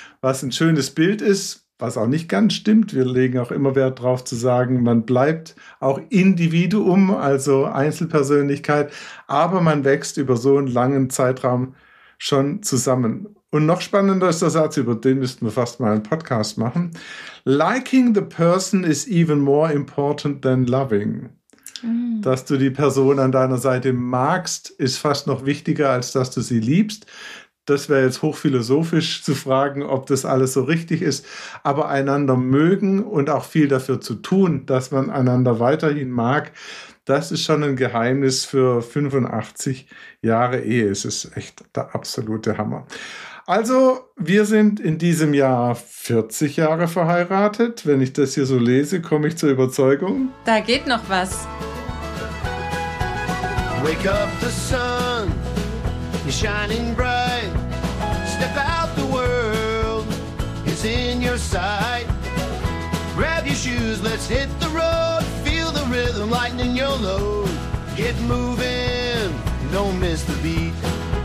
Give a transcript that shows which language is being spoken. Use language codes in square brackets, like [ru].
[de] Was ein schönes Bild ist, was auch nicht ganz stimmt. Wir legen auch immer Wert darauf zu sagen, man bleibt auch Individuum, also Einzelpersönlichkeit. Aber man wächst über so einen langen Zeitraum schon zusammen. Und noch spannender ist der Satz, über den müssten wir fast mal einen Podcast machen. [en] Liking the person is even more important than loving. Mm. [de] Dass du die Person an deiner Seite magst, ist fast noch wichtiger, als dass du sie liebst. Das wäre jetzt hochphilosophisch zu fragen, ob das alles so richtig ist. Aber einander mögen und auch viel dafür zu tun, dass man einander weiterhin mag, das ist schon ein Geheimnis für 85 Jahre Ehe. Es ist echt der absolute Hammer. Also, wir sind in diesem Jahr 40 Jahre verheiratet. Wenn ich das hier so lese, komme ich zur Überzeugung. Da geht noch was. [en] Wake up the sun, you're shining bright. Step out the world, it's in your sight. Grab your shoes, let's hit the road. Feel the rhythm, lightening your load. Get moving, don't miss the beat.